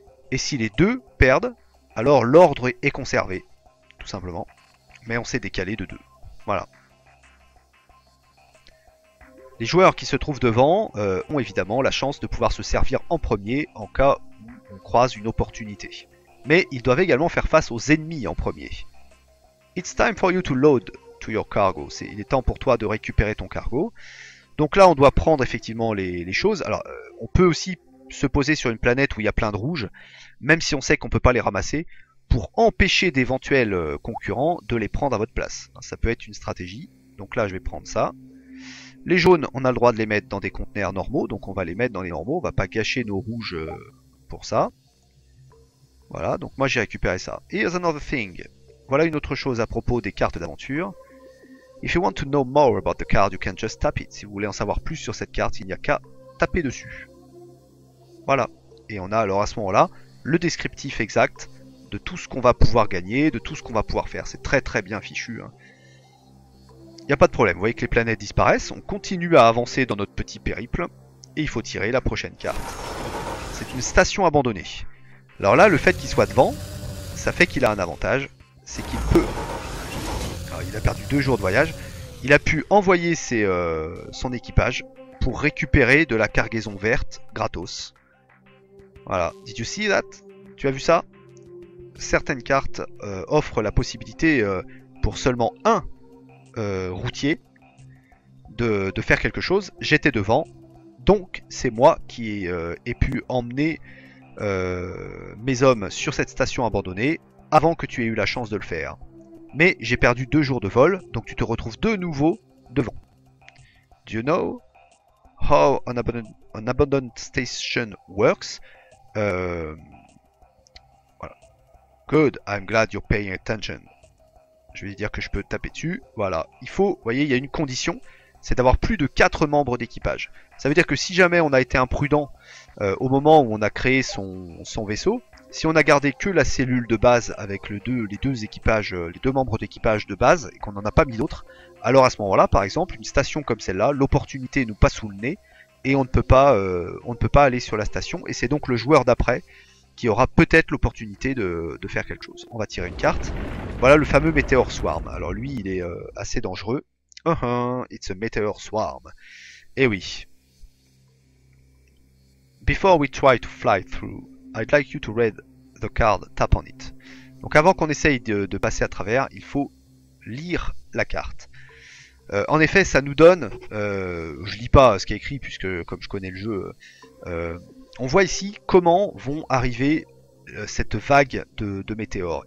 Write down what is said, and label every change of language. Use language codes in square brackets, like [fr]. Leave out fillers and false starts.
[fr] Et si les deux perdent, alors l'ordre est conservé, tout simplement. Mais on s'est décalé de deux. Voilà. Les joueurs qui se trouvent devant ont évidemment la chance de pouvoir se servir en premier en cas où on croise une opportunité. Mais ils doivent également faire face aux ennemis en premier. [en] It's time for you to load to your cargo. [fr] Il est temps pour toi de récupérer ton cargo. Donc là, on doit prendre effectivement les choses. Alors, on peut aussi se poser sur une planète où il y a plein de rouges, même si on sait qu'on ne peut pas les ramasser, pour empêcher d'éventuels concurrents de les prendre à votre place. Ça peut être une stratégie. Donc là, je vais prendre ça. Les jaunes, on a le droit de les mettre dans des conteneurs normaux, donc on va les mettre dans les normaux, on va pas gâcher nos rouges pour ça. Voilà, donc moi j'ai récupéré ça. [en] Here's another thing. [fr] Voilà une autre chose à propos des cartes d'aventure. [en] If you want to know more about the card, you can just tap it. [fr] Si vous voulez en savoir plus sur cette carte, il n'y a qu'à taper dessus. Voilà. Et on a alors à ce moment-là le descriptif exact de tout ce qu'on va pouvoir gagner, de tout ce qu'on va pouvoir faire. C'est très très bien fichu, hein. Il n'y a pas de problème, vous voyez que les planètes disparaissent, on continue à avancer dans notre petit périple, et il faut tirer la prochaine carte. C'est une station abandonnée. Alors là, le fait qu'il soit devant, ça fait qu'il a un avantage, c'est qu'il peut... Alors, il a perdu 2 jours de voyage, il a pu envoyer son équipage pour récupérer de la cargaison verte gratos. Voilà, [en] did you see that? [fr] Tu as vu ça? Certaines cartes offrent la possibilité pour seulement un... routier de faire quelque chose. J'étais devant, donc c'est moi qui ai pu emmener mes hommes sur cette station abandonnée avant que tu aies eu la chance de le faire. Mais j'ai perdu 2 jours de vol, donc tu te retrouves de nouveau devant. [en] Do you know how an abandoned station works? Good, I'm glad you're paying attention. [fr] Je vais dire que je peux taper dessus. Voilà. Il faut, voyez, il y a une condition. C'est d'avoir plus de 4 membres d'équipage. Ça veut dire que si jamais on a été imprudent au moment où on a créé son vaisseau, si on a gardé que la cellule de base avec les deux membres d'équipage de base et qu'on n'en a pas mis d'autres, alors à ce moment-là, par exemple, une station comme celle-là, l'opportunité nous passe sous le nez et on ne peut pas aller sur la station. Et c'est donc le joueur d'après qui aura peut-être l'opportunité de faire quelque chose. On va tirer une carte. Voilà le fameux Meteor Swarm. Alors lui, il est assez dangereux. [en] It's a Meteor Swarm. [fr] Eh oui. [en] Before we try to fly through, I'd like you to read the card, tap on it. [fr] Donc avant qu'on essaye de passer à travers, il faut lire la carte. En effet, ça nous donne... je lis pas ce qui est écrit, puisque comme je connais le jeu... on voit ici comment vont arriver cette vague de météores.